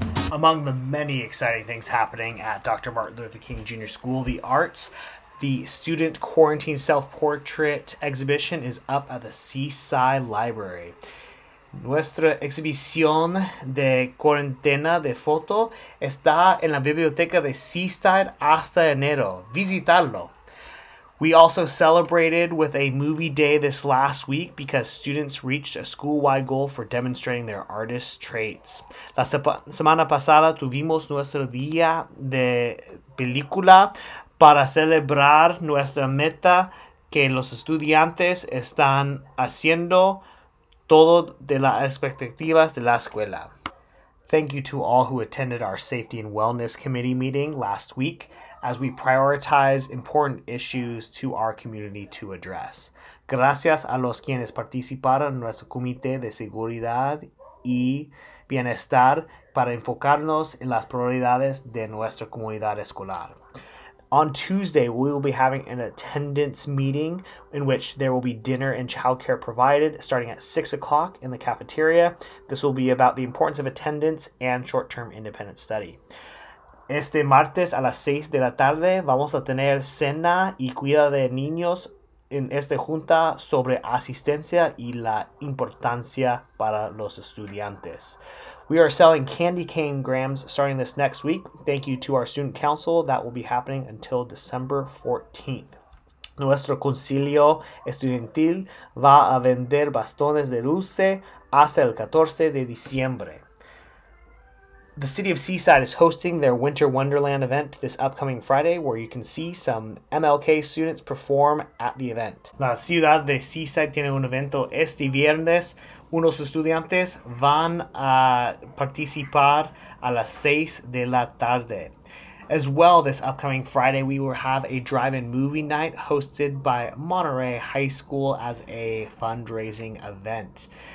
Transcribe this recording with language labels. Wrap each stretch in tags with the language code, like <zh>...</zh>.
<en>Among the many exciting things happening at Dr. Martin Luther King Jr. School of the Arts, the Student Quarantine Self-Portrait Exhibition is up at the Seaside Library.</en> <es>Nuestra exhibición de cuarentena de foto está en la biblioteca de Seaside hasta enero. Visitarlo.</es> <en>We also celebrated with a movie day this last week because students reached a school-wide goal for demonstrating their artist traits.</en> <es>La semana pasada tuvimos nuestro día de película para celebrar nuestra meta que los estudiantes están haciendo todo de las expectativas de la escuela.</es> <en>Thank you to all who attended our Safety and Wellness Committee meeting last week, as we prioritize important issues to our community to address.</en> <es>Gracias a los quienes participaron en nuestro Comité de Seguridad y Bienestar para enfocarnos en las prioridades de nuestra comunidad escolar.</es> <en>On Tuesday, we will be having an attendance meeting in which there will be dinner and childcare provided starting at 6 o'clock in the cafeteria. This will be about the importance of attendance and short-term independent study.</en> <es>Este martes a las 6 de la tarde vamos a tener cena y cuida de niños en esta junta sobre asistencia y la importancia para los estudiantes.</es> <en>We are selling candy cane grams starting this next week. Thank you to our student council. That will be happening until December 14th.</en> <es>Nuestro concilio estudiantil va a vender bastones de dulce hasta el 14 de diciembre.</es> <en>The City of Seaside is hosting their Winter Wonderland event this upcoming Friday, where you can see some MLK students perform at the event.</en> <es>La ciudad de Seaside tiene un evento este viernes. Unos estudiantes van a participar a las 6 de la tarde.</es> <en>As well, this upcoming Friday, we will have a drive-in movie night hosted by Monterey High School as a fundraising event.</en>